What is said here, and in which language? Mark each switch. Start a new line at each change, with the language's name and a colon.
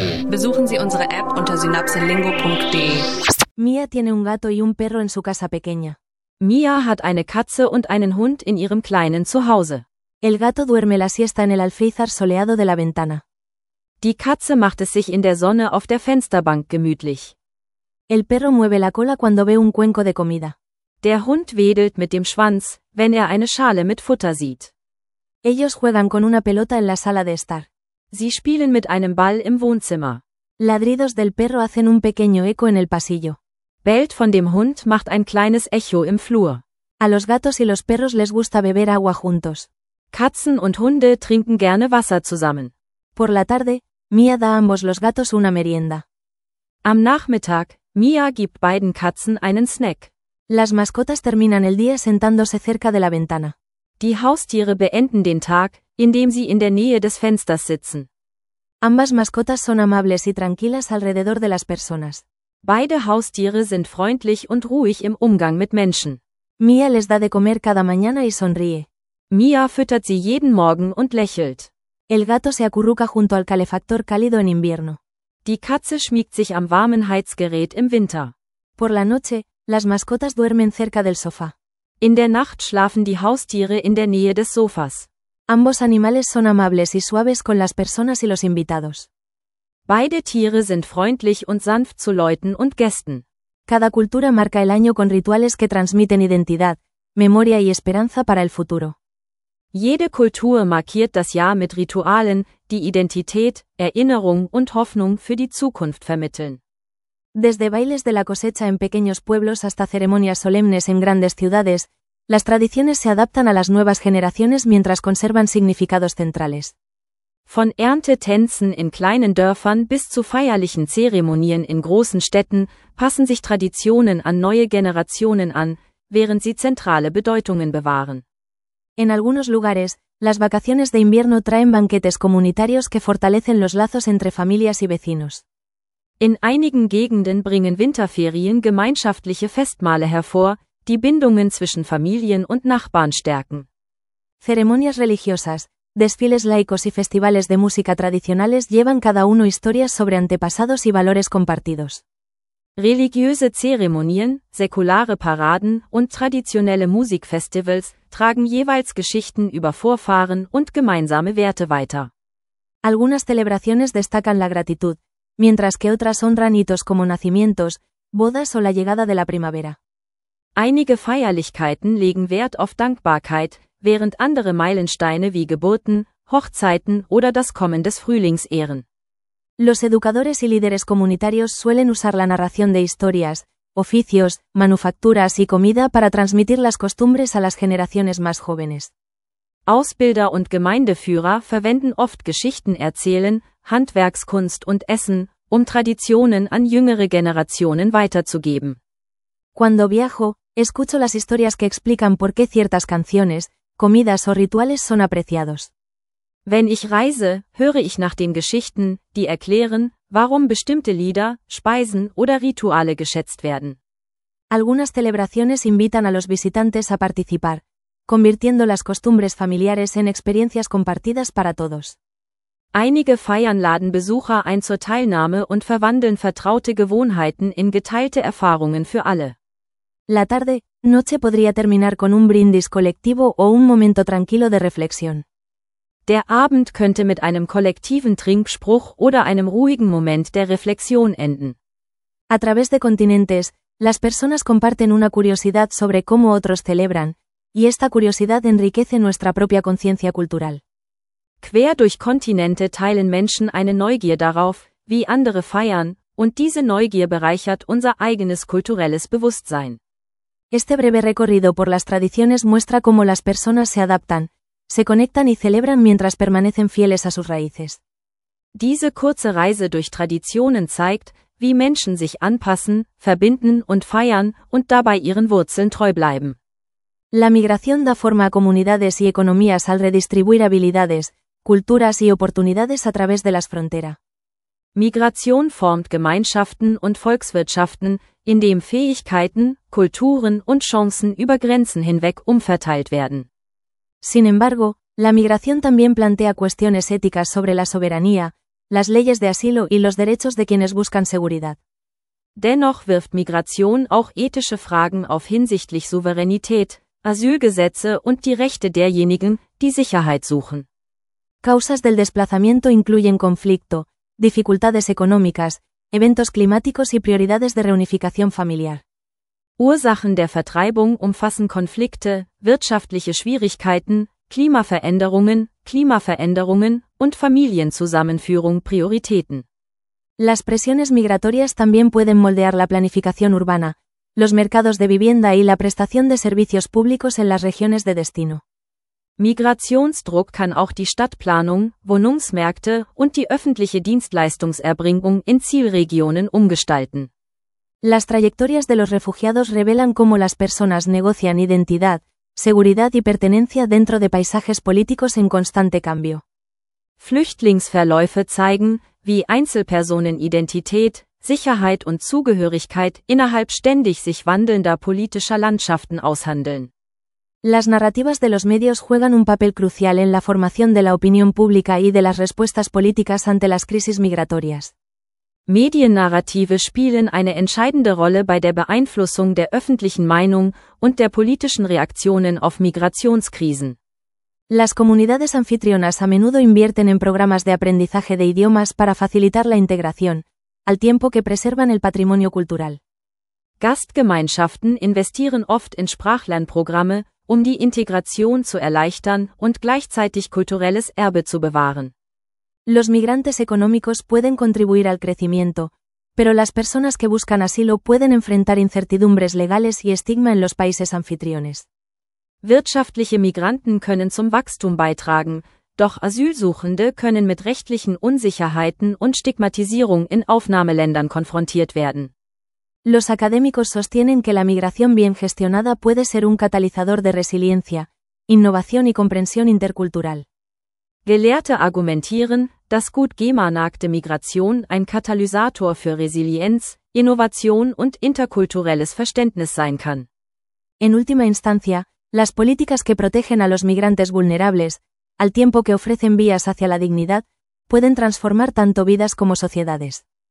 German: Besuchen Sie unsere App unter synapselingo.de.
Spanish: Mia tiene un gato y un perro en su casa pequeña.
German: Mia hat eine Katze und einen Hund in ihrem kleinen Zuhause.
Spanish: El gato duerme la siesta en el alféizar soleado de la ventana.
German: Die Katze macht es sich in der Sonne auf der Fensterbank gemütlich.
Spanish: El perro mueve la cola cuando ve un cuenco de comida.
German: Der Hund wedelt mit dem Schwanz, wenn er eine Schale mit Futter sieht.
Spanish: Ellos juegan con una pelota en la sala de estar.
German: Sie spielen mit einem Ball im Wohnzimmer.
Spanish: Ladridos del perro hacen un pequeño eco en el pasillo.
German: Bellt von dem Hund macht ein kleines Echo im Flur.
Spanish: A los gatos y los perros les gusta beber agua juntos.
German: Katzen und Hunde trinken gerne Wasser zusammen.
Spanish: Por la tarde, Mia da ambos los gatos una merienda.
German: Am Nachmittag, Mia gibt beiden Katzen einen Snack.
Spanish: Las mascotas terminan el día sentándose cerca de la ventana.
German: Die Haustiere beenden den Tag, indem sie in der Nähe des Fensters sitzen.
Spanish: Ambas mascotas son amables y tranquilas alrededor de las personas.
German: Beide Haustiere sind freundlich und ruhig im Umgang mit Menschen.
Spanish: Mia les da de comer cada mañana y sonríe.
German: Mia füttert sie jeden Morgen und lächelt.
Spanish: El gato se acurruca junto al calefactor cálido en invierno.
German: Die Katze schmiegt sich am warmen Heizgerät im Winter.
Spanish: Por la noche, las mascotas duermen cerca del sofá.
German: In der Nacht schlafen die Haustiere in der Nähe des Sofas.
Spanish: Ambos animales son amables y suaves con las personas y los invitados.
German: Beide Tiere sind freundlich und sanft zu Leuten und Gästen.
Spanish: Cada cultura marca el año con rituales que transmiten identidad, memoria y esperanza para el futuro.
German: Jede Kultur markiert das Jahr mit Ritualen, die Identität, Erinnerung und Hoffnung für die Zukunft vermitteln.
Spanish: Desde bailes de la cosecha en pequeños pueblos hasta ceremonias solemnes en grandes ciudades, las tradiciones se adaptan a las nuevas generaciones mientras conservan significados centrales.
German: Von Erntetänzen in kleinen Dörfern bis zu feierlichen Zeremonien in großen Städten passen sich Traditionen an neue Generationen an, während sie zentrale Bedeutungen bewahren.
Spanish: En algunos lugares, las vacaciones de invierno traen banquetes comunitarios que fortalecen los lazos entre familias y vecinos.
German: In einigen Gegenden bringen Winterferien gemeinschaftliche Festmale hervor, die Bindungen zwischen Familien und Nachbarn stärken.
Spanish: Ceremonias religiosas, desfiles laicos y festivales de música tradicionales llevan cada uno historias sobre antepasados y valores compartidos.
German: Religiöse Zeremonien, säkulare Paraden und traditionelle Musikfestivals tragen jeweils Geschichten über Vorfahren und gemeinsame Werte weiter.
Spanish: Algunas celebraciones destacan la gratitud, mientras que otras honran hitos como nacimientos, bodas o la llegada de la primavera.
German: Einige Feierlichkeiten legen Wert auf Dankbarkeit, während andere Meilensteine wie Geburten, Hochzeiten oder das Kommen des Frühlings ehren.
Spanish: Los educadores y líderes comunitarios suelen usar la narración de historias, oficios, manufacturas y comida para transmitir las costumbres a las generaciones más jóvenes.
German: Ausbilder und Gemeindeführer verwenden oft Geschichten erzählen, Handwerkskunst und Essen, um Traditionen an jüngere Generationen weiterzugeben.
Spanish: Cuando viajo, escucho las historias que explican por qué ciertas canciones, comidas o rituales son apreciados.
German: Wenn ich reise, höre ich nach den Geschichten, die erklären, warum bestimmte Lieder, Speisen oder Rituale geschätzt werden.
Spanish: Algunas celebraciones invitan a los visitantes a participar, convirtiendo las costumbres familiares en experiencias compartidas para todos.
German: Einige Feiern laden Besucher ein zur Teilnahme und verwandeln vertraute Gewohnheiten in geteilte Erfahrungen für alle.
Spanish: La tarde, noche podría terminar con un brindis colectivo o un momento tranquilo de reflexión.
German: Der Abend könnte mit einem kollektiven Trinkspruch oder einem ruhigen Moment der Reflexion enden.
Spanish: A través de continentes, las personas comparten una curiosidad sobre cómo otros celebran, y esta curiosidad enriquece nuestra propia conciencia cultural.
German: Quer durch Kontinente teilen Menschen eine Neugier darauf, wie andere feiern, und diese Neugier bereichert unser eigenes kulturelles Bewusstsein.
Spanish: Este breve recorrido por las tradiciones muestra cómo las personas se adaptan, se conectan y celebran mientras permanecen fieles a sus raíces.
German: Diese kurze Reise durch Traditionen zeigt, wie Menschen sich anpassen, verbinden und feiern und dabei ihren Wurzeln treu bleiben.
Spanish: La migración da forma a comunidades y economías al redistribuir habilidades, culturas y oportunidades a través de las fronteras.
German: Migration formt Gemeinschaften und Volkswirtschaften, indem Fähigkeiten, Kulturen und Chancen über Grenzen hinweg umverteilt werden.
Spanish: Sin embargo, la migración también plantea cuestiones éticas sobre la soberanía, las leyes de asilo y los derechos de quienes buscan seguridad.
German: Dennoch wirft Migration auch ethische Fragen auf hinsichtlich Souveränität, Asylgesetze und die Rechte derjenigen, die Sicherheit suchen.
Spanish: Causas del desplazamiento incluyen conflicto, dificultades económicas, eventos climáticos y prioridades de reunificación familiar.
German: Ursachen der Vertreibung umfassen Konflikte, wirtschaftliche Schwierigkeiten, Klimaveränderungen und Familienzusammenführung Prioritäten.
Spanish: Las presiones migratorias también pueden moldear la planificación urbana, los mercados de vivienda y la prestación de servicios públicos en las regiones de destino.
German: Migrationsdruck kann auch die Stadtplanung, Wohnungsmärkte und die öffentliche Dienstleistungserbringung in Zielregionen umgestalten.
Spanish: Las trayectorias de los refugiados revelan cómo las personas negocian identidad, seguridad y pertenencia dentro de paisajes políticos en constante cambio.
German: Flüchtlingsverläufe zeigen, wie Einzelpersonen Identität, Sicherheit und Zugehörigkeit innerhalb ständig sich wandelnder politischer Landschaften aushandeln.
Spanish: Las narrativas de los medios juegan un papel crucial en la formación de la opinión pública y de las respuestas políticas ante las crisis migratorias.
German: Mediennarrative spielen eine entscheidende Rolle bei der Beeinflussung der öffentlichen Meinung und der politischen Reaktionen auf Migrationskrisen.
Spanish: Las comunidades anfitrionas a menudo invierten en programas de aprendizaje de idiomas para facilitar la integración, al tiempo que preservan el patrimonio cultural.
German: Gastgemeinschaften investieren oft in Sprachlernprogramme, um die Integration zu erleichtern und gleichzeitig kulturelles Erbe zu bewahren.
Spanish: Los migrantes económicos pueden contribuir al crecimiento, pero las personas que buscan asilo pueden enfrentar incertidumbres legales y estigma en los países anfitriones.
German: Wirtschaftliche Migranten können zum Wachstum beitragen, doch Asylsuchende können mit rechtlichen Unsicherheiten und Stigmatisierung in Aufnahmeländern konfrontiert werden.
Spanish: Los académicos sostienen que la migración bien gestionada puede ser un catalizador de resiliencia, innovación y comprensión intercultural.
German: Gelehrte argumentieren, dass gut gemanagte Migration ein Katalysator für Resilienz, Innovation und interkulturelles Verständnis sein kann.
Spanish: En última instancia, las políticas que protegen a los migrantes vulnerables, al tiempo que ofrecen vías hacia la dignidad, pueden transformar tanto vidas como sociedades.